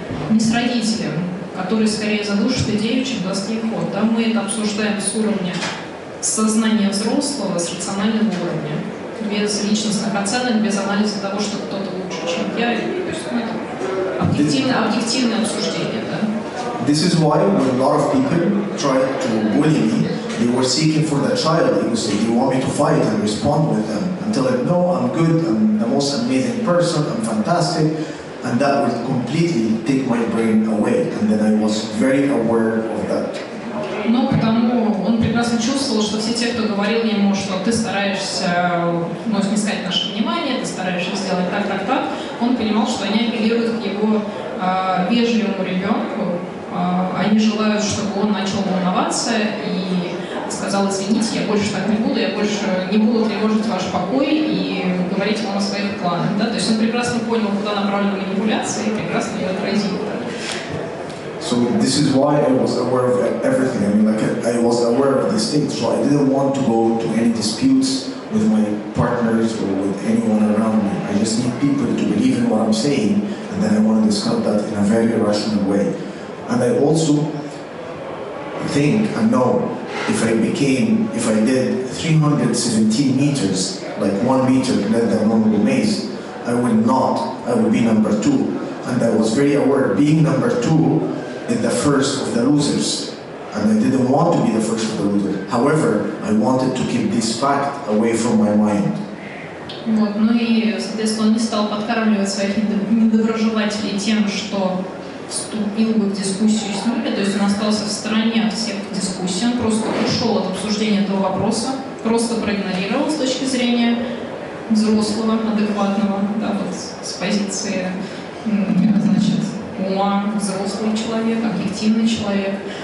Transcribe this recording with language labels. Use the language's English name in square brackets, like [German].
[Russian] Не с родителем, который скорее задушит идею, чем даст ей ход. Да, мы это обсуждаем с уровня сознания взрослого, с рационального уровня, без личностных оценок, без анализа того, что кто-то лучше, чем я. То есть это объективное обсуждение. Да? [English] This is why when a lot of people tried to bully me, they were seeking for the child. They would say, "Do you want me to fight?" and respond with them and tell them, "No, I'm good. I'm the most amazing person. I'm fantastic." And that would completely take my brain away, and then I was very aware of that. [Russian] Но потому он прекрасно чувствовал, что все те, кто говорил ему, что ты стараешься, ну, снискать наше внимание, ты стараешься сделать так, он понимал, что они апеллируют к его вежливому ребенку, они желают, чтобы он начал волноваться и сказал: извините, я больше так не буду, я больше не буду тревожить ваш покой и говорить вам о своих планах. Да? То есть он прекрасно понял, куда направлена манипуляция, и прекрасно ее отразил. [English] So this is why I was aware of everything. I mean, like I was aware of these things, so I didn't want to go to any disputes with my partners or with anyone around me. I just need people to believe in what I'm saying, and then I want to discuss that in a very rational way. And I also think and know if I did 317 meters, like 1 meter less than normal maze, I would be number two. And I was very aware being number two is the first of the losers. And I didn't want to be the first of the losers. However, I wanted to keep this fact away from my mind. [Russian] Вот, ну и, соответственно, он не стал подкармливать своих недоброжелателей тем, что вступил бы в дискуссию с ними, то есть он остался в стороне от всех дискуссий, он просто ушел от обсуждения этого вопроса, просто проигнорировал с точки зрения взрослого, адекватного, да, вот, с позиции, значит, ума, взрослый человек, объективный человек.